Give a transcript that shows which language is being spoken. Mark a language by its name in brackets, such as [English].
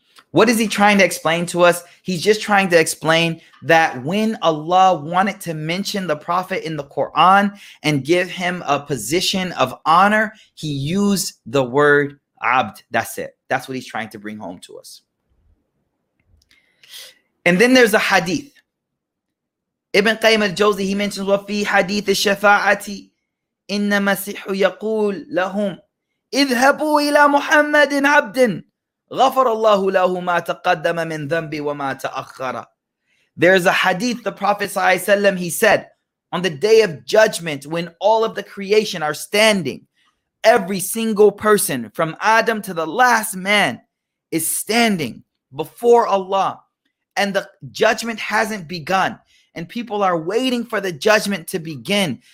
[English] What is he trying to explain to us? He's just trying to explain that when Allah wanted to mention the Prophet in the Quran and give him a position of honor, he used the word abd. That's it. That's what he's trying to bring home to us. And then there's a hadith. Ibn Qayyim al-Jawzi, he mentions, [Arabic] وَفِي حَدِيثِ الشَّفَاعَةِ إِنَّ مَسِيحُ يَقُولُ لَهُمْ اِذْهَبُوا إِلَى مُحَمَّدٍ عَبْدٍ غفر الله له ما تقدم من ذنبي وما تأخر. [English] There is a hadith the Prophet ﷺ, he said, on the day of judgment, when all of the creation are standing, every single person from Adam to the last man is standing before Allah, and the judgment hasn't begun, and people are waiting for the judgment to begin.